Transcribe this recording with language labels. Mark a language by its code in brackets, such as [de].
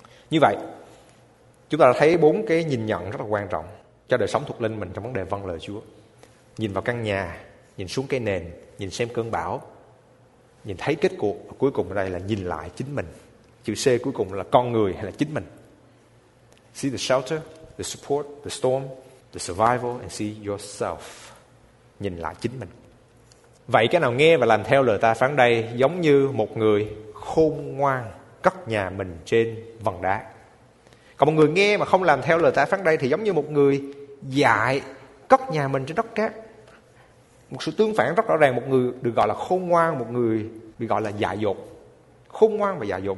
[vi] Như vậy, chúng ta đã thấy bốn cái nhìn nhận rất là quan trọng cho đời sống thuộc linh mình trong vấn đề vâng lời Chúa. Nhìn vào căn nhà, nhìn xuống cái nền, nhìn xem cơn bão, nhìn thấy kết cục, và cuối cùng ở đây là nhìn lại chính mình. Chữ C cuối cùng là con người hay là chính mình. [en] See the shelter, the support, the storm, the survival and see yourself. [vi] Nhìn lại chính mình. Vậy cái nào nghe và làm theo lời ta phán đây giống như một người khôn ngoan cất nhà mình trên vần đá. Còn một người nghe mà không làm theo lời ta phán đây thì giống như một người dại cất nhà mình trên đất cát. Một sự tương phản rất rõ ràng. Một người được gọi là khôn ngoan, một người bị gọi là dại dột. Khôn ngoan và dại dột.